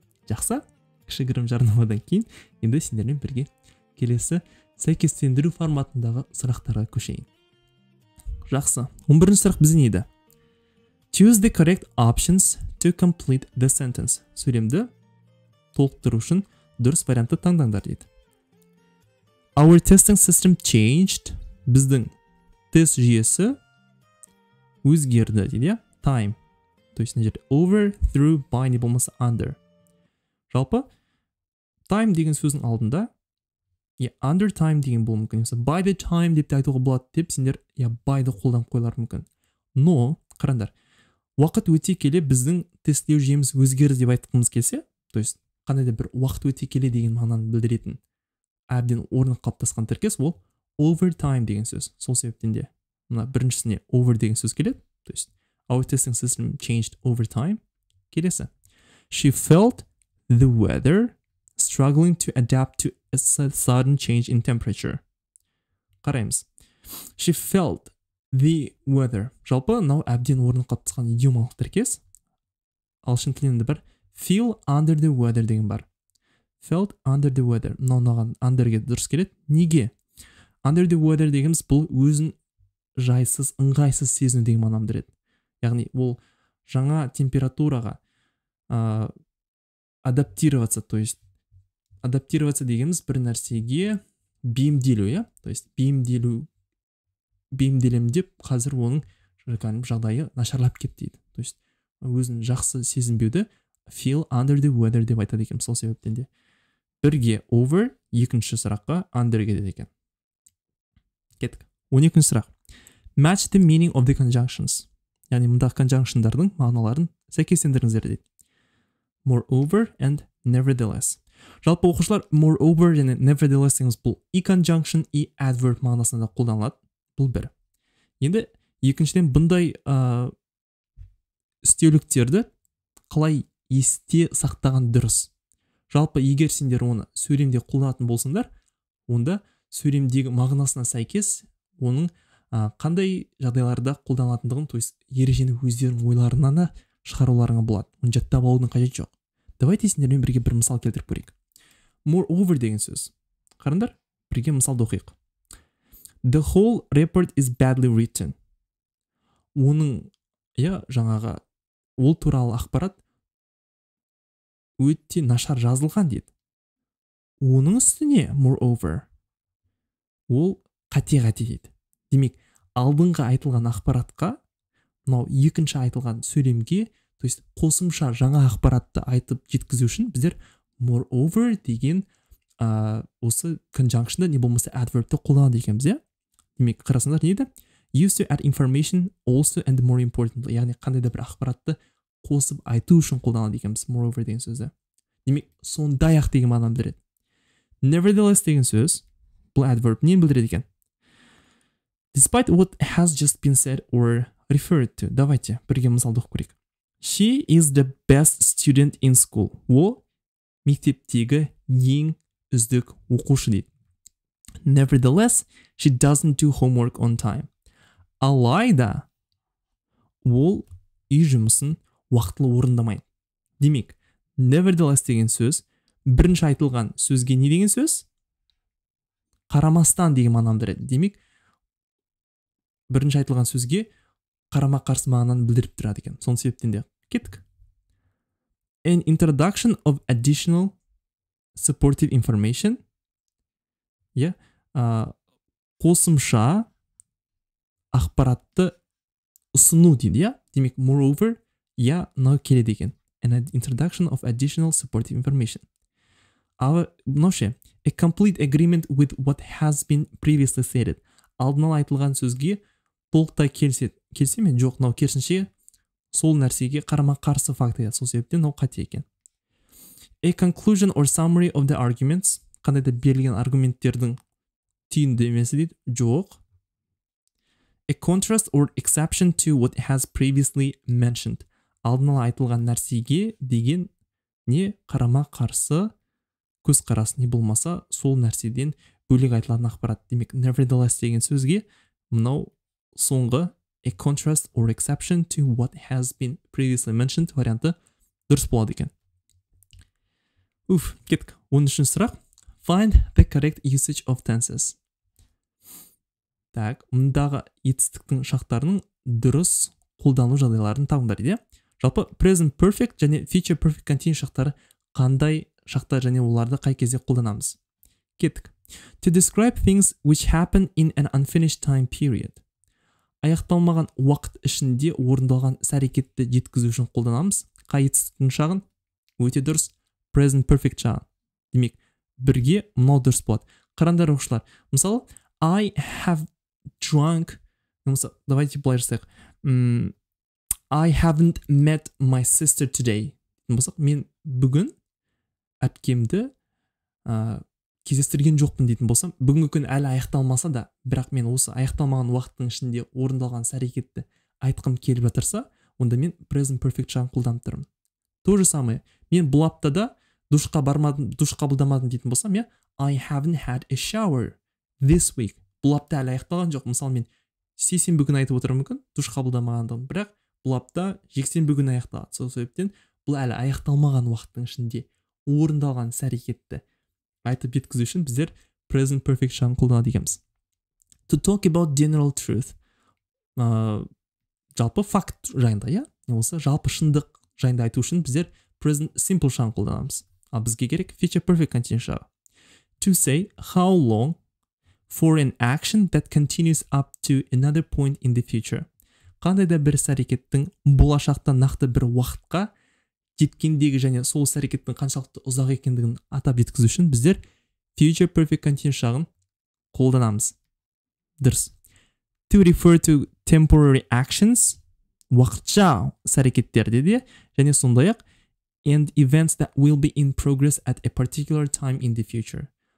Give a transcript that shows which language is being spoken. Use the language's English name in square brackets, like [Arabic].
[Kazakh] Жақсы, кішігірім жарнамадан кейін енді сендермен бірге келесі сәйкестендіру форматындағы сұрақтарға көшейін. Жақсы, 11-ші сұрақ біздің еді. [English] Choose the correct options to complete the sentence. [Kazakh] Сөйлемді толықтыру үшін дұрыс варианты таңдаңдар дейді. [English] Our testing system changed. [Kazakh] Біздің тест жүйесі өзгерді дейді. [English] Time. [Kazakh] Тойсында жерде over, through, by, не болмаса under. Жалпы, time деген сөзің алдында, under time деген болу мүмкін. By the time деп айтуға болады деп, сендер by-ды қолданып қойлар мүмкін. [Russian] Но, [Kazakh] қарандар, уақыт өте келе біздің тестілеу жүйеміз өзгерді деп айтқымыз келсе, тойсында қандай да бір уақыт өте келе деген мағынаны білдіретін әбден орнын қалыптасқан тіркес ол over time деген сөз. Сол себептен де мына біріншісіне over деген сөз келеді. [Russian] То есть [English] our testing system changed over time. [Kazakh] Келесі. [English] She felt the weather struggling to adapt to a sudden change in temperature. Қараймыз. She felt the weather. [Kazakh] Жалпы, now әбден орнын қалыптасқан идиомалық тіркес. Ағылшын тілінде бір [English] feel under the weather [Kazakh] деген бар. [English] Felt under the weather. [Kazakh] Мынаған under-ге дұрыс келеді. Неге? Under the weather дегеніміз бұл өзін жайсыз, ыңғайсыз сезіну деген мағынаны береді. Яғни ол жаңа температураға [Russian] адаптироваться, то есть адаптироваться [Kazakh] дегеніміз бір нәрсеге бейімделу, иә? [Russian] То есть [Kazakh] бейімделем деп қазір оның жағдайы нашарлап кетті дейді. [Russian] То есть [Kazakh] өзін жақсы сезінбеуді [English] feel under the weather [Kazakh] деп айтады екен сол себептен де. Бірге over, екінші сұраққа under-ге деді екен. Кеттік. 12-ші сұрақ. [English] Match the meaning of the conjunctions. [Kazakh] Яғни мұндағы conjunction-дардың мағыналарын сәйкестендіріңіздер дейді. [English] Moreover and nevertheless. [Kazakh] Жалпы оқушылар moreover және nevertheless деген бұл и conjunction и adverb мағынасында қолданылады. Бұл бір. Енді екіншіден бұндай үстеуліктерді қалай есте сақтаған дұрыс. Жалпы егер сендер оны сөйлемде қолданатын болсаңдар, онда сөйлемдегі мағынасына сәйкес оның қандай жағдайларда қолданылатындығын, [Russian] то есть [Kazakh] ережені өздерінің ойларынан шығаруларыңа болады. Оны жаттап алудың қажеті жоқ. [Russian] Давайте [Kazakh] сендермен бірге бір мысал келтіріп көрейік. Moreover деген сөз. Қарындар, бірге мысалды оқиық. [English] The whole report is badly written. [Kazakh] Оның, жаңағы, ол туралы ақпарат өте нашар жазылған дейді. Оның үстіне moreover ол қате-қате дейді. Демек, алдыңғы айтылған ақпаратқа, мынау екінші айтылған сөйлемге, [Russian] то есть [Kazakh] қосымша жаңа ақпаратты айтып жеткізу үшін біздер moreover деген осы conjunction-ды не болмаса adverb-ті қолданады екенбіз, иә? Демек, қарасаңдар, не дейді? [English] Used to add information also and more importantly, [Kazakh] яғни қандай да бір ақпаратты қосып айту үшін қолданады екенбіз moreover деген сөзді. Демек, сондай ақ деген мағынаны білдіреді. Nevertheless деген сөз бұл adverb нені білдіреді екен? [English] Despite what has just been said or referred to. [Russian] Давайте [Kazakh] бірге мысалды оқып көрейік. [English] She is the best student in school. [Kazakh] Ол мектептегі ең үздік оқушы дейді. [English] Nevertheless, she doesn't do homework on time. [Kazakh] Алайда ол үй жұмысын уақытылы орындамайды. Демек, nevertheless деген сөз бірінші айтылған сөзге не деген сөз? Қарамастан деген мағынаны береді. Демек, бірінші айтылған сөзге қарама-қарсы мағынаны білдіріп тұрады екен. Сол себептен де кеттік. [English] An introduction of additional supportive information. [Kazakh] Қосымша ақпаратты ұсыну дейді, иә? Демек, moreover, мынау келеді екен. [English] An introduction of additional supportive information. A complete agreement with what has been previously stated. [Kazakh] Алдын ала айтылған сөзге толықтай келсе ме? Жоқ, мынау керісінше сол нәрсеге қарама-қарсы факт еді. Сол себептен мынау қате екен. [English] A conclusion or summary of the arguments. [Kazakh] Қандай да берілген аргументтердің түйіндемесі дейді. Жоқ. [English] A contrast or exception to what has previously mentioned. [Kazakh] Алдын ала айтылған нәрсеге деген не қарама-қарсы көз қарасы не болмаса сол нәрседен бөлек айтылатын ақпарат. Демек, nevertheless деген сөзге мынау соңғы [English] a contrast or exception to what has been previously mentioned [Kazakh] варианты дұрыс болады екен. Уф, кеттік. 13-ші сұрақ. [English] Find the correct usage of tenses. [Russian] Так, [Kazakh] мұндағы етістіктің шақтарының дұрыс қолдану жағдайларын табыңдар дейді. Жалпы, present perfect және future perfect continuous шақтары қандай шақтар және оларды қай кезде қолданамыз? Кеттік. [English] To describe things which happen in an unfinished time period. [Kazakh] Аяқталмаған уақыт ішінде орындалған іс-әрекетті жеткізу үшін қолданамыз. Қай етістіктің шағын? Өте дұрыс. Present perfect шағын. Демек, бірге мынау дұрыс болады. Қарандар оқушылар, мысалы, I have drunk, мысалы, [Russian] давайте [Kazakh] былай жасайық. [English] I haven't met my sister today. [Kazakh] Мысалы, мен бүгін әпкемді кездестірген жоқпын дейтін болсам, бүгінгі күн әлі аяқталмаса да, бірақ мен осы аяқталмаған уақыттың ішінде орындалған әрекетті айтқым келіп жатырса, онда мен present perfect шағын қолданып тұрмын. [Russian] То же самое. [Kazakh] Мен бұл аптада душқа бармадым, душ қабылдамадым дейтін болсам, мен [English] I haven't had a shower this week. [Kazakh] Бұл апта әлі аяқталған жоқ. Мысалы, мен сейсенбі күні айтып отырмын мүмкін, душ қабылдамағандығым, бірақ бұл апта жексенбі күні аяқталады. Сол себептен бұл әлі аяқталмаған уақыттың ішінде орындалған әрекетті айтып жеткізу үшін біздер present perfect шағын қолданады екенбіз. [English] To talk about general truth. [Kazakh] Жалпы факт жайында, иә? Осы жалпы шындық жайында айту үшін біздер present simple шағын қолданамыз. Ал бізге керек future perfect continuous шағы. [English] To say how long for an action that continues up to another point in the future. [Kazakh] Қандай да бір әрекеттің болашақта нақты бір уақытқа жеткендегі және сол әрекеттің қаншалықты ұзақ екендігін атап жеткізу үшін біздер future perfect continuous шағын қолданамыз. Дұрыс. [English] To refer to temporary actions, [Kazakh] уақытша әрекеттерді де, және сондай-ақ [English] and events that will be in progress at a particular time in the future.